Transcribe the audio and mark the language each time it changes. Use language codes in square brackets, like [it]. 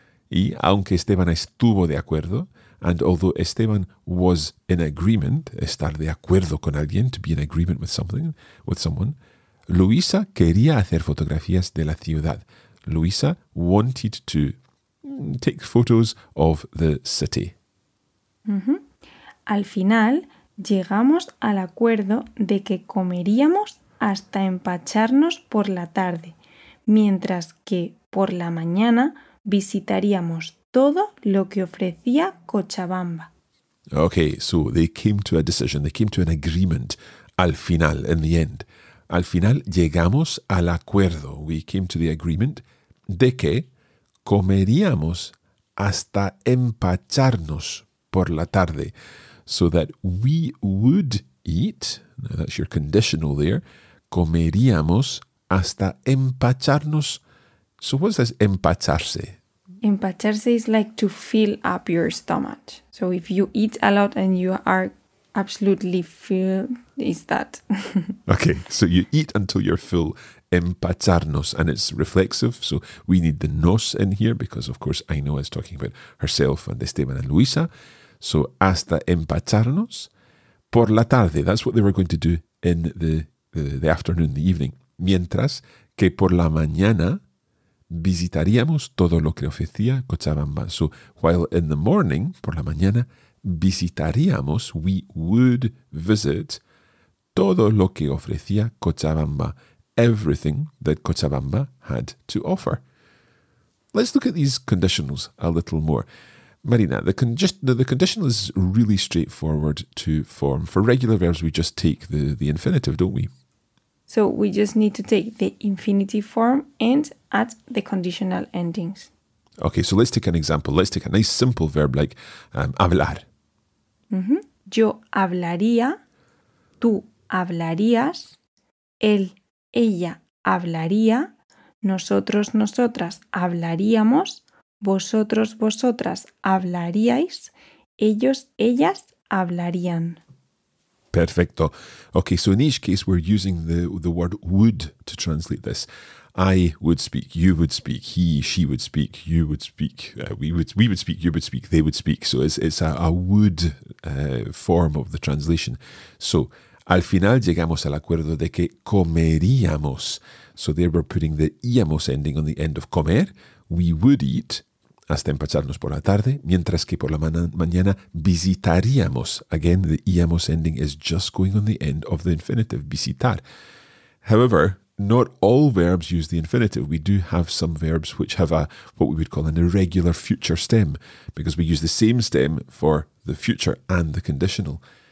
[es] Y aunque Esteban estuvo de acuerdo, [en] and although Esteban was in agreement, [es] estar de acuerdo con alguien, [en] to be in agreement with something, with someone, [es] Luisa quería hacer fotografías de la ciudad. [en] Luisa wanted to take photos of the city. Mm-hmm. [es] Al final, llegamos al acuerdo de que comeríamos hasta empacharnos por la tarde, mientras que por la mañana visitaríamos todo lo que ofrecía Cochabamba. [en] Okay, so they came to a decision, they came to an agreement, [es] al final, [en] in the end. [es] Al final llegamos al acuerdo, [en] we came to the agreement, [es] de que comeríamos hasta empacharnos por la tarde, [en] so that we would eat, now that's your conditional there, [es] comeríamos hasta empacharnos. [en] So what's this empacharse? Empacharse is like to fill up your stomach. So if you eat a lot and you are absolutely filled, is that. Okay, so you eat until you're full. Empacharnos, and it's reflexive. So we need the nos in here because, of course, Ainhoa is talking about herself and Esteban and Luisa. [es] So hasta empacharnos por la tarde. [en] That's what they were going to do in the afternoon, the evening. [es] Mientras que por la mañana visitaríamos todo lo que ofrecía Cochabamba. [en] So while in the morning, [es] por la mañana, visitaríamos, [en] we would visit [es] todo lo que ofrecía Cochabamba. [en] Everything that Cochabamba had to offer. Let's look at these conditionals a little more. Marina, the conditional is really straightforward to form. For regular verbs, we just take the infinitive, don't we? So we just need to take the infinitive form and add the conditional endings. Okay, so let's take an example. Let's take a nice simple verb like hablar. Mm-hmm. [es] Yo hablaría, tú hablarías, él, ella hablaría, nosotros, nosotras hablaríamos, vosotros, vosotras hablaríais, ellos, ellas hablarían. Perfecto. [en] Okay, so in each case, we're using the word would to translate this. I would speak, you would speak, he, she would speak, you would speak, we would speak, you would speak, they would speak. So it's a would form of the translation. [es] So, al final llegamos al acuerdo de que comeríamos. [en] So there we're putting the íamos ending on the end of comer. We would eat [es] hasta empacharnos por la tarde, mientras que por la mañana visitaríamos. [en] Again, the íamos ending is just going on the end of the infinitive, visitar. However, not all verbs use the infinitive. We do have some verbs which have what we would call an irregular future stem, because we use the same stem for the future and the conditional.